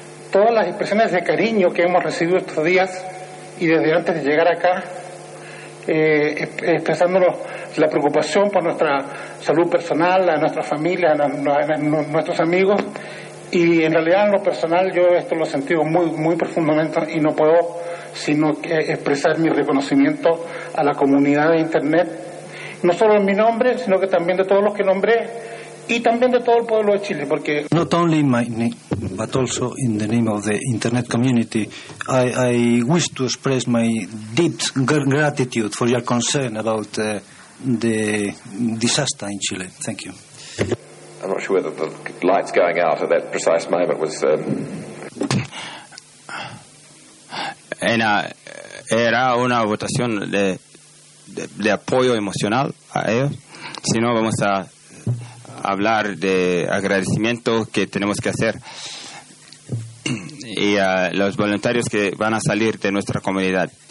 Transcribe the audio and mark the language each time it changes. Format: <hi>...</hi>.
<es>todas las expresiones de cariño que hemos recibido estos días y desde antes de llegar acá, expresándonos la preocupación por nuestra salud personal, a nuestra familia, a nuestros amigos. Y en realidad, en lo personal, yo esto lo he sentido muy, muy profundamente y no puedo sino que expresar mi reconocimiento a la comunidad de Internet, no solo en mi nombre, sino que también de todos los que nombré y también de todo el pueblo de Chile, porque...</es> <en>Not only in my name, but also in the name of the Internet community, I wish to express my deep gratitude for your concern about the disaster in Chile. Thank you. I'm not sure whether the light's going out at that precise moment was...</en> <es>Era una votación de apoyo emocional a ellos. Si no, vamos a hablar de agradecimiento que tenemos que hacer. Y a los voluntarios que van a salir de nuestra comunidad.</es>